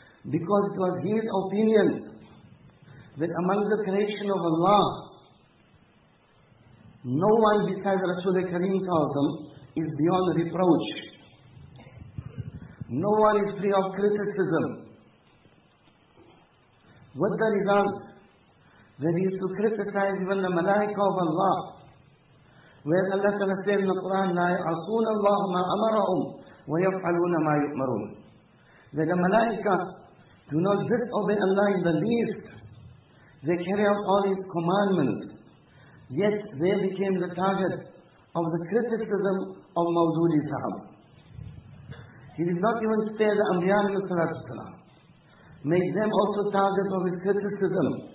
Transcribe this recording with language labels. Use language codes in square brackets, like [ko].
[en] Because it was his opinion that among the creation of Allah, no one besides Rasulullah Kareem tells them is beyond reproach. No one is free of criticism. What the result? That he used to criticize even the malaika of Allah. Where Allah said in the Quran, [ar] لا يعصون الله ما أمرهم ويفعلون ما يؤمرون. [en] That the malaika do not disobey Allah in the least. They carry out all his commandments. Yet they became the target of the criticism of Mawdudi Sahab. He did not even spare the Anbiya alayhi salatu wasalam. Make them also target of his criticism.